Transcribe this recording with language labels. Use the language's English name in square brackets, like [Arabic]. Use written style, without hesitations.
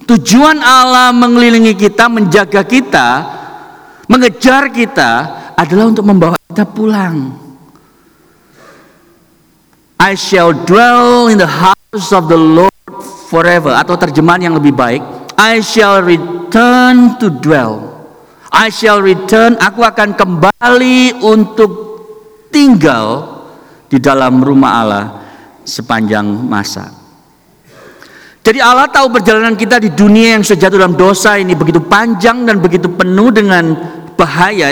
[Indonesian] Tujuan Allah mengelilingi kita, menjaga kita, mengejar kita adalah untuk membawa kita pulang. [English] I shall dwell in the house of the Lord forever. [Indonesian] Atau terjemahan yang lebih baik, [English] I shall return to dwell. I shall return, [Indonesian] aku akan kembali untuk tinggal di dalam rumah Allah sepanjang masa. Jadi Allah tahu perjalanan kita di dunia yang sudah jatuh dalam dosa ini begitu panjang dan begitu penuh dengan bahaya.